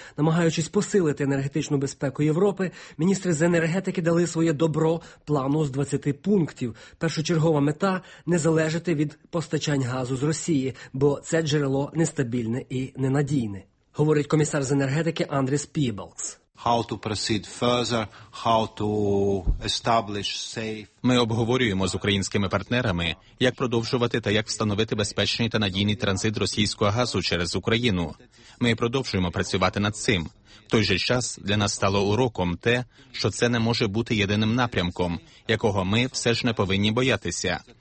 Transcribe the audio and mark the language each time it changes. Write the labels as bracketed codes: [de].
[uk] Намагаючись посилити енергетичну безпеку Європи, міністри з енергетики дали своє добро плану з 20 пунктів. Першочергова мета – не залежати від постачань газу з Росії, бо це джерело нестабільне і ненадійне, говорить комісар з енергетики Андріс Піблкс. [en] How to proceed further, how to establish safe. [uk] Ми обговорюємо з українськими партнерами, як продовжувати та як встановити безпечний та надійний транзит російського газу через Україну. Ми продовжуємо працювати над цим. В той же час для нас стало уроком те, що це не може бути єдиним напрямком, якого ми все ж не повинні боятися.